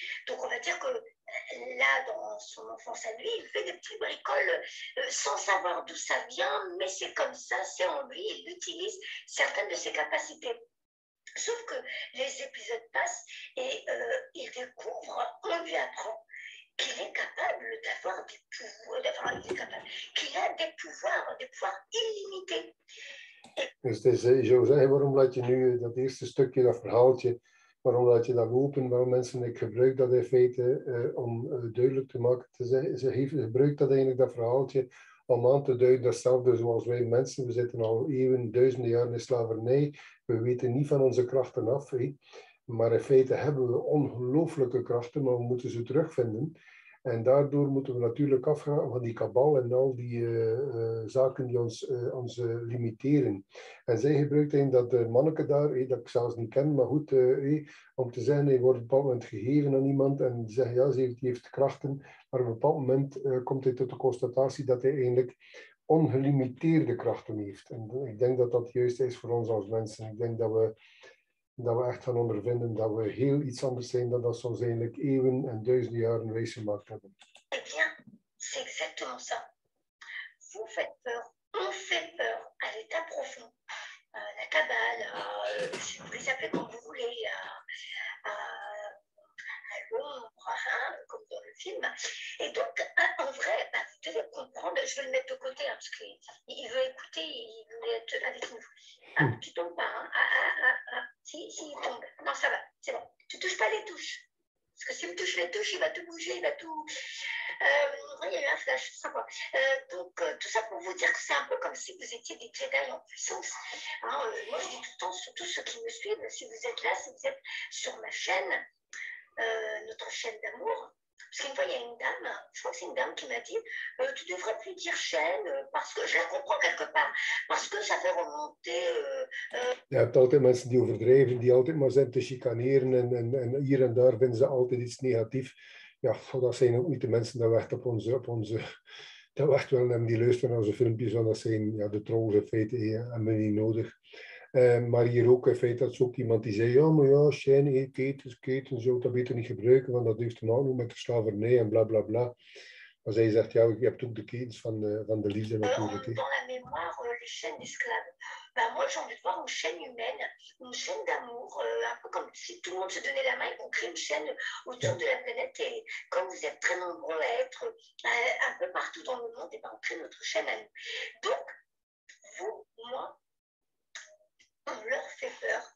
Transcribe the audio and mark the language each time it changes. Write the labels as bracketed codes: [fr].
[fr] Donc, on va dire que là, dans son enfance à lui, il fait des petites bricoles sans savoir d'où ça vient, mais c'est comme ça, c'est en lui, il utilise certaines de ses capacités. Sauf que les épisodes passent et il découvre, on lui apprend qu'il est capable d'avoir des pouvoirs, qu'il a des pouvoirs illimités. [nl] Dus het is, je zou zeggen, waarom laat je nu dat eerste stukje, dat verhaaltje, waarom laat je dat open? Waarom mensen, ik gebruik dat in feite om duidelijk te maken, te zeggen, ze gebruikt dat eigenlijk, dat verhaaltje, om aan te duiden, datzelfde zoals wij mensen, we zitten al eeuwen, duizenden jaren in slavernij, we weten niet van onze krachten af, hé? Maar in feite hebben we ongelooflijke krachten, maar we moeten ze terugvinden. En daardoor moeten we natuurlijk afgaan van die kabal en al die zaken die ons limiteren. En zij gebruikt in dat manneke daar, dat ik zelfs niet ken, maar goed, om te zeggen, hij wordt op een bepaald moment gegeven aan iemand en zegt, ja, die heeft krachten, maar op een bepaald moment komt hij tot de constatatie dat hij eigenlijk ongelimiteerde krachten heeft. En ik denk dat dat juist is voor ons als mensen. Ik denk dat we echt gaan ondervinden dat we heel iets anders zijn dan dat ze ons eigenlijk eeuwen en duizenden jaren wijsgemaakt hebben. [fr] Eh bien, c'est exactement ça. Vous faites peur, on fait peur à l'état profond. La kabbale, vous les appelez comme vous voulez, à l'ombre, comme dans le film. Et donc, en vrai, bah, vous devez comprendre, je vais le mettre de côté, hein, parce qu'il veut écouter, il veut être avec nous. Ah, tu tombes pas, hein. Si, il tombe. Non, ça va, c'est bon. Tu ne touches pas les touches. Parce que si tu touches les touches, il va tout bouger, il va tout... il y a eu un flash, c'est sympa. Donc, tout ça pour vous dire que c'est un peu comme si vous étiez des Jedi en puissance. Hein, moi, je dis tout le temps, surtout ceux qui me suivent, si vous êtes là, si vous êtes sur ma chaîne, notre chaîne d'amour, parce qu'une fois, il y a une dame, je crois que c'est une dame qui m'a dit « Tu ne devrais plus dire chaîne, parce que je la comprends quelque part, parce que ça fait remonter... [nl] » Je hebt altijd mensen die overdrijven, die altijd maar zijn te chicaneren en hier en daar vinden ze altijd iets negatiefs. Ja, dat zijn ook niet de mensen die wachten op onze... Dat wachten wel en die luisteren naar onze filmpjes, want dat zijn ja, de trolls in feite, ja, hebben we niet nodig. Maar hier ook in feite dat is ook iemand die zei, ja, maar ja, shiny, keten, zo, dat beter niet gebruiken, want dat heeft een aanloop met de slavernij en bla bla bla. Maar zij zegt, ja, je hebt ook de ketens van de liefde natuurlijk. [fr] Dans la mémoire, les chaînes d'esclaves. Bah, moi, j'ai envie de voir une chaîne humaine, une chaîne d'amour, un peu comme si tout le monde se donnait la main et qu'on crée une chaîne autour de la planète. Et comme vous êtes très nombreux à être un peu partout dans le monde, et bah, on crée notre chaîne à nous. Donc, vous, moi, on leur fait peur.